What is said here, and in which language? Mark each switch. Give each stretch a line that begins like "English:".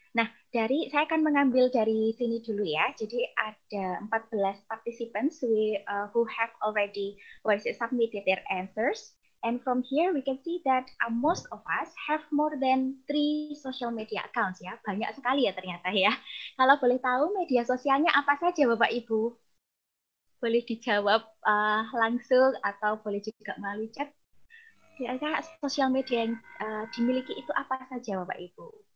Indonesian: Nah, saya akan mengambil dari sini dulu ya. Jadi ada
English: 14 participants who have already submitted their answers. And from here we can see that most of us have more than 3 social media accounts
Indonesian: ya. Banyak sekali ya ternyata ya. Kalau boleh tahu media sosialnya apa saja Bapak Ibu? Boleh dijawab langsung atau boleh juga melalui chat. Kira-kira social media yang dimiliki itu apa saja Bapak Ibu?